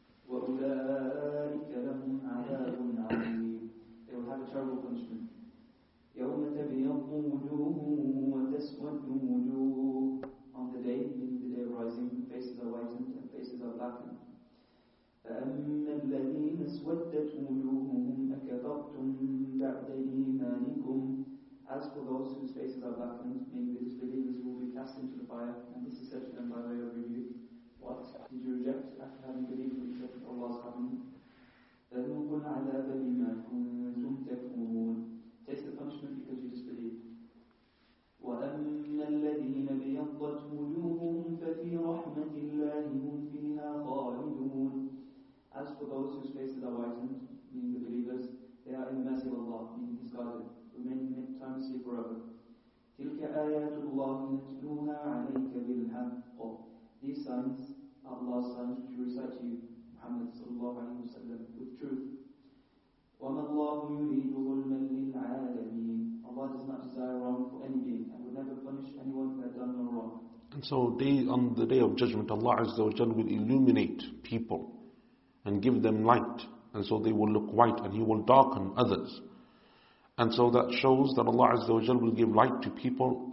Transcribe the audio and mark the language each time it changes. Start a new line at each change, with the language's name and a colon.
Arabic: وَأُولَٰئِكَ لَهُمْ عَذَابٌ عَظِيمٌ.
English: They will have a terrible punishment.
Arabic: يَوْمَ تَبْيَضُّ وُجُوهٌ وَتَسْوَدُّ وُجُوهٌ.
English: On the day, meaning the day of rising, faces are whitened and faces are blackened.
Arabic: فَأَمَّا الَّذِينَ الذين اسودت وجوههم أكفرتم بعد إيمانكم.
English: As for those whose faces are blackened, meaning the disbelievers will be cast into the fire, and this is said to them by way of review. What did you reject after having believed in the truth of Allah's covenant? Taste the punishment because you disbelieved.
Arabic: وأما الذين ابيضت وجوههم ففي رحمة الله هم فيها خالدون.
English: As for those whose faces are whitened, meaning the believers, they are in the mercy of Allah, meaning His guardian, remaining timelessly forever.
Arabic: تلك آيات الله نتلوها عليك بالحق.
English: These signs are Allah's signs which we recite to you, Muhammad
Arabic: صلى الله عليه وسلم,
English: with truth.
Arabic: وما الله يريد ظلما للعالمين.
English: Allah does not desire wrong for any being and will never punish anyone who has done no wrong. And so on the day of judgment, Allah Azza wa Jalla will illuminate people and give them light, and so they will look white, and He will darken others. And so that shows that Allah Azza wa Jal will give light to people.